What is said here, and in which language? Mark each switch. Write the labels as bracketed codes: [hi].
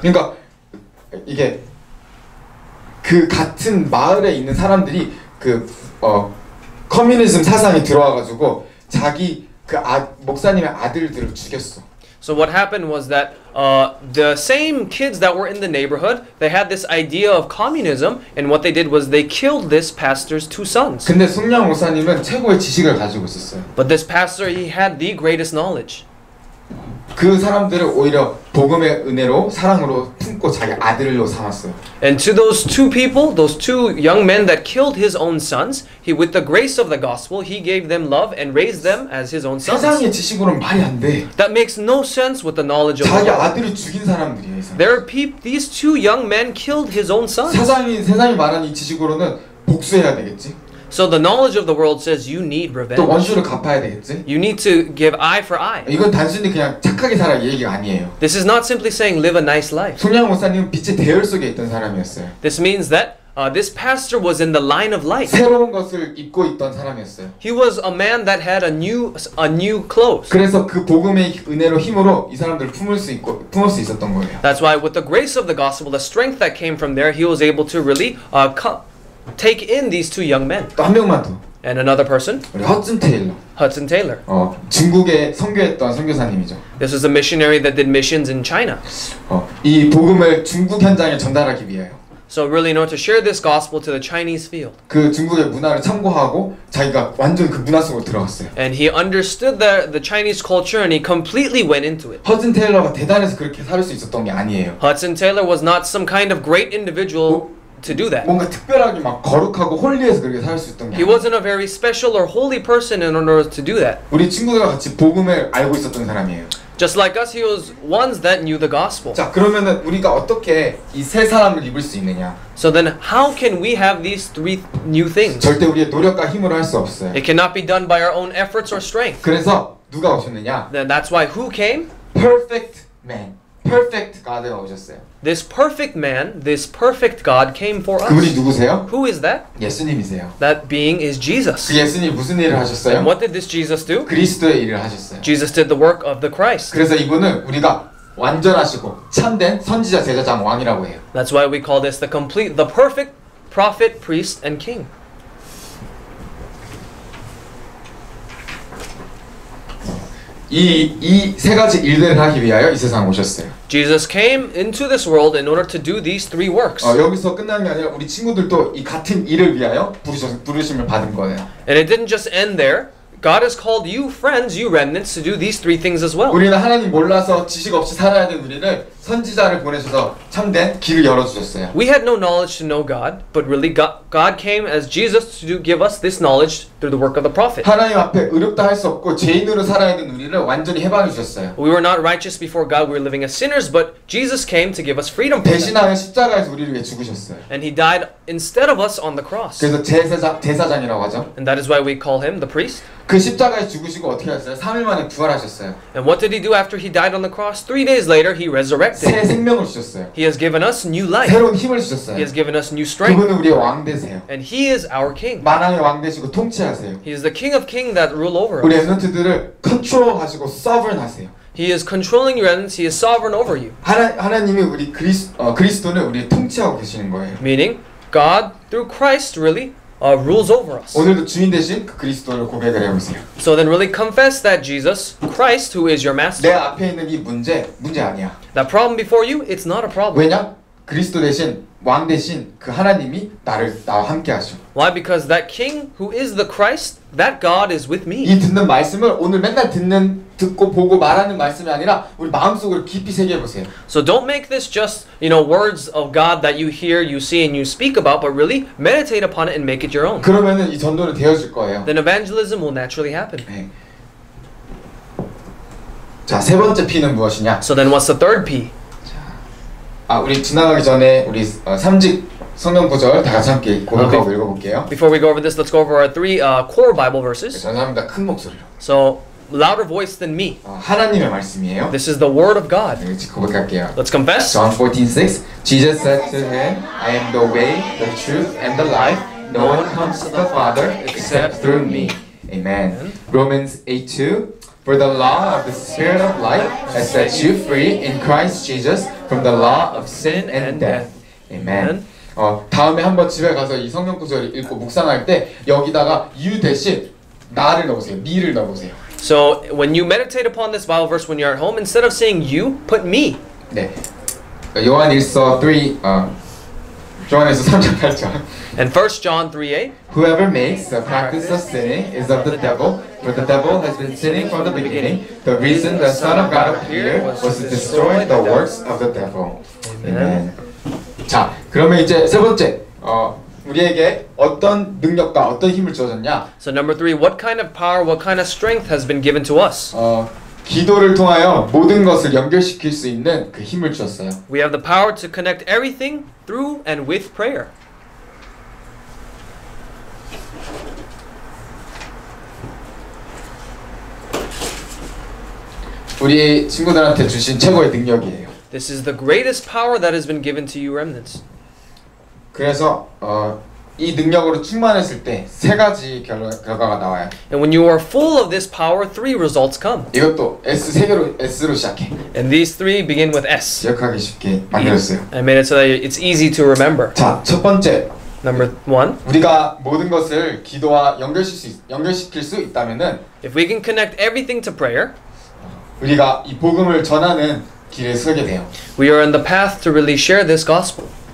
[ko] 그러니까 이게 그 같은 마을에 있는 사람들이 그 커뮤니즘 사상이 들어와가지고 자기 그 아, 목사님의 아들들을 죽였어. [en] So what happened was that the same kids that were in the neighborhood, they had this idea of communism, and what they did was they killed this pastor's two sons. [ko] 근데 송량 목사님은 최고의 지식을 가지고 있었어요. [en] But this pastor, he had the greatest knowledge. [ko] 그 사람들을 오히려 복음의 은혜로 사랑으로 품고 자기 아들로 삼았어요. [en] And to those two people, those two young men that killed his own sons, he with the grace of the gospel, he gave them love and raised them as his own sons. [ko] 세상의 지식으로는 말이 안 돼. [en] That makes no sense with the knowledge of. [ko] 자기 God. 아들을 죽인 사람들이에요. 사람. [en] There are people. These two young men killed his own sons. [ko] 세상이 말한 이 지식으로는 복수해야 되겠지. [en] So the knowledge of the world says you need revenge. [ko] 또 원수를 갚아야 되겠지? [en] You need to give eye for eye. [ko] 이건 단순히 그냥 착하게 살아 얘기가 아니에요. [en] This is not simply saying live a nice life. [ko] 송량 목사님은 빛의 대열 속에 있던 사람이었어요. [en] This means that this pastor was in the line of light. [ko] 새로운 것을 입고 있던 사람이었어요. [en] He was a man that had a new clothes. [ko] 그래서 그 복음의 은혜로 힘으로 이 사람들을 품을 수 있었던 거예요. [en] That's why with the grace of the gospel, the strength that came from there, he was able to really take in these two young men. [ko] 또 한 명만 더. [en] And another person? Hudson Taylor. Hudson Taylor. [ko] 중국에 선교했던 선교사님이죠. [en] This is a missionary that did missions in China. [ko] 이 복음을 중국 현장에 전달하기 위해요. [en] So really, in order to share this gospel to the Chinese field. [ko] 그 중국의 문화를 참고하고 자기가 완전 그 문화 속으로 들어갔어요. [en] And he understood the Chinese culture and he completely went into it. [ko] 허튼 테일러가 대단해서 그렇게 살 수 있었던 게 아니에요. [en] Hudson Taylor was not some kind of great individual. 뭐, to do that. [ko] 뭔가 특별하게 막 거룩하고 홀리해서 그렇게 살 수 있던 게 아니에요. [en] He wasn't a very special or holy person in order to do that. [ko] 우리 친구들과 같이 복음을 알고 있었던 사람이에요. [en] Just like us, he was ones that knew the gospel. [ko] 자, 그러면은 우리가 어떻게 이 새 사람을 입을 수 있느냐? [en] So then, how can we have these three new things? [ko] 절대 우리의 노력과 힘으로 할 수 없어요. [en] It cannot be done by our own efforts or strength. [ko] 그래서 누가 오셨느냐? [en] Then that's why who came? Perfect man. Perfect God가 [ko] 오셨어요. [en] This perfect man, this perfect God came for us. [ko] 그분이 누구세요? [en] Who is that? [ko] 예수님이세요. [en] That being is Jesus. [ko] 그 예수님이 무슨 일을 하셨어요? [en] And what did this Jesus do? [ko] 그리스도의 일을 하셨어요. [en] Jesus did the work of the Christ. [ko] 그래서 이분은 우리가 완전하시고 참된 선지자, 제자장, 왕이라고 해요. [en] That's why we call this the complete, the perfect prophet, priest, and king. [ko] 이 세 가지 일들을 하기 위하여 이 세상 오셨어요. [en] Jesus came into this world in order to do these three works. [ko] 여기서 끝난 게 아니라 우리 친구들도 이 같은 일을 위하여 부르심을 받은 거예요. [en] And it didn't just end there. God has called you friends, you remnants to do these three things as well. [ko] 우리는 하나님 몰라서 지식 없이 살아야 된 우리를 선지자를 보내셔서 참된 길을 열어 주셨어요. [en] We had no knowledge to know God, but really God came as Jesus to give us this knowledge through the work of the prophet. [ko] 하나님 앞에 의롭다 할 수 없고 죄인으로 살아야 된 우리를 완전히 해방해 주셨어요. [en] We were not righteous before God, we were living as sinners, but Jesus came to give us freedom. [ko] 대신하여 십자가에서 우리를 위해 죽으셨어요. [en] And he died instead of us on the cross. [ko] 그래서 대사장이라고 하죠. [en] And that is why we call him the priest. [ko] 그 십자가에 죽으시고 어떻게 하셨어요? 3일 만에 부활하셨어요. [en] And what did he do after he died on the cross? 3 days later he resurrected. [ko] 새 생명을 주셨어요. [en] He has given us new life. [ko] 새로운 힘을 주셨어요. [en] He has given us new strength. [ko] 그분은 우리의 왕 되세요. [en] And he is our king. [ko] 만왕의 왕 되시고 통치하세요. [en] He is the king of kings that rule over us. [ko] 우리 에너지들을 컨트롤하시고 sovereign 하세요. [en] He is controlling your enemies. He is sovereign over you. [ko] 하나님이 우리 그리스도는 우리 통치하고 계시는 거예요. [en] Meaning God through Christ really rules over us. [ko] 오늘도 주인 되신 그 그리스도를 고백을 해보세요. [en] So then really confess that Jesus Christ who is your master. [ko] 내 앞에 있는 이 문제 아니야. [en] The problem before you, it's not a problem. [ko] 왜냐? 그리스도 되신 왕 되신 그 하나님이 나와 함께 하셔. [en] Why? Because that king who is the Christ, that God is with me. [ko] 이 듣는 말씀을 오늘 맨날 듣고 보고 말하는 말씀이 아니라 우리 마음속으로 깊이 새겨보세요. [en] So don't make this just, you know, words of God that you hear, you see, and you speak about, but really meditate upon it and make it your own. [ko] 그러면은 이 전도는 되어질 거예요. [en] Then evangelism will naturally happen. 네. [ko] 자, 세 번째 P는 무엇이냐? [en] So then what's the third P? [ko] 아, 우리 지나가기 전에 우리 3직 성경 구절 다 같이 함께 공부하고 읽어볼게요. [en] Before we go over this, let's go over our three core Bible verses. [ko] 죄송합니다. 큰 목소리로. [en] So, louder voice than me. [ko] 하나님의 말씀이에요. [en] This is the word of God. [ko] 네, 고백할게요. [en] Let's confess. John 14:6. Jesus said to him, I am the way, the truth, and the life. No one comes to the Father except through me. Amen. Romans 8:2. For the law of the Spirit of life has set you free in Christ Jesus from the law of sin and death. Amen. [ko] 다음에 한번 집에 가서 이 성경 구절을 읽고 묵상할 때 여기다가 you 대신 나를 넣어보세요. 미를 넣어보세요. [en] So when you meditate upon this Bible verse when you're at home, instead of saying you, put me. [ko] 네. 요한일서 요한에서 3장 8절. [en] And 1 John 3:8. Whoever makes the practice of sinning is of the devil, for the devil has been sinning from the beginning. The reason the Son of God appeared was to destroy the works of the devil. Amen. [ko] 자, 그러면 이제 세 번째. 우리에게 어떤 능력과 어떤 힘을 주어졌냐? [en] So number three, what kind of power, what kind of strength has been given to us? [ko] 기도를 통하여 모든 것을 연결시킬 수 있는 그 힘을 주었어요. [en] We have the power to connect everything through and with prayer. [ko] 우리 친구들한테 주신 최고의 능력이에요. [en] This is the greatest power that has been given to you, remnants. [ko] 그래서 이 능력으로 충만했을 때 세 가지 결과가 나와요. [en] And when you are full of this power, three results come. [ko] 이것도 S 세 개로 S로 시작해. [en] And these three begin with S. [ko] 기억하기 쉽게 만들었어요. [en] I made it so that it's easy to remember. [ko] 자, 첫 번째. [en] Number one. [ko] 우리가 모든 것을 기도와 연결시킬 수 있다면은. [en] If we can connect everything to prayer. [ko] 우리가 이 복음을 전하는 길에 서게 돼요. [en] We are on the path to really share this gospel.